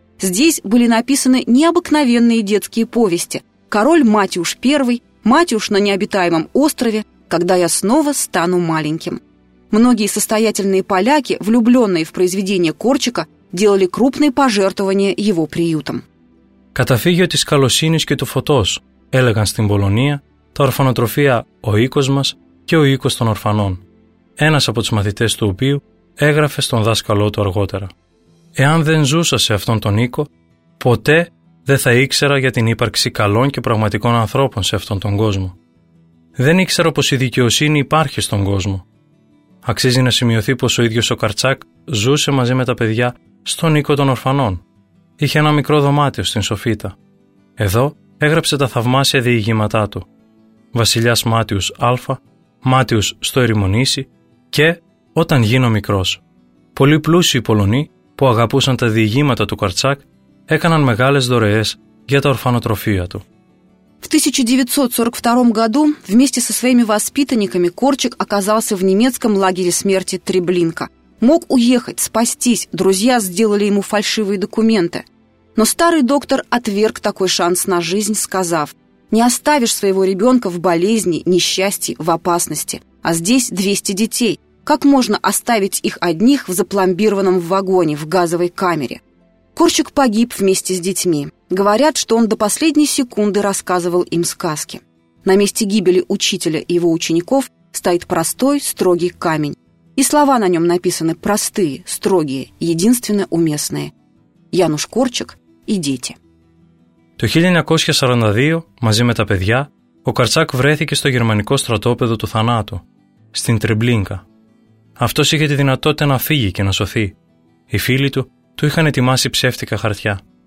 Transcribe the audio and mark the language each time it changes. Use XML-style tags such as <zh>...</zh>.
<ru>Здесь были написаны необыкновенные детские повести: «Король Матюш I», «Матюш на необитаемом острове», «Когда я снова стану маленьким». Многие состоятельные поляки, влюбленные в произведения Корчика, делали крупные пожертвования его приютам.</ru> <el>«Καταφύγιο της καλοσύνης και του φωτός», έλεγαν στην Πολωνία, τα ορφανοτροφεία «Ο οίκος μας» και «Ο οίκος των ορφανών», ένας από τους μαθητές του οποίου έγραφε στον δάσκαλό του αργότερα: «Εάν δεν ζούσα σε αυτόν τον οίκο, ποτέ δεν θα ήξερα για την ύπαρξη καλών και πραγματικών ανθρώπων σε αυτόν τον κόσμο. Δεν ήξερα πως η δικαιοσύνη υπάρχει στον κόσμο». Αξίζει να σημειωθεί πως ο ίδιος ο Καρτσάκ ζούσε μαζί με τα παιδιά στον οίκο των ορφανών. Είχε ένα μικρό δωμάτιο στην Σοφίτα. Εδώ έγραψε τα θαυμάσια διηγήματά του: «Βασιλιάς Μάτιους Α, Μάτιους στο Ερημονήσι» και «Όταν γίνω μικρός». Πολύ πλούσιοι Πολωνοί που αγαπούσαν τα διηγήματα του Καρτσάκ έκαναν μεγάλες δωρεές για τα ορφανοτροφεία του.</el> <ru>В 1942 году вместе со своими воспитанниками Корчик оказался в немецком лагере смерти Треблинка. Мог уехать, спастись, друзья сделали ему фальшивые документы. Но старый доктор отверг такой шанс на жизнь, сказав: «Не оставишь своего ребенка в болезни, несчастье, в опасности. А здесь 200 детей. Как можно оставить их одних в запломбированном вагоне, в газовой камере?» Корчик погиб вместе с детьми. Говорят, что он до последней секунды рассказывал им сказки. На месте гибели учителя и его учеников стоит простой, строгий камень. И слова на нем написаны простые, строгие, единственно уместные. Януш Корчик и дети.</ru> <el>Το 1942, μαζί με τα παιδιά, ο Κορτσάκ βρέθηκε στο γερμανικό στρατόπεδο του θανάτου, στην Τριμπλίνκα. Αυτός είχε τη δυνατότητα να φύγει και να σωθεί. Οι φίλοι του του είχαν ετοιμάσει ψεύτικα χαρτιά.</el>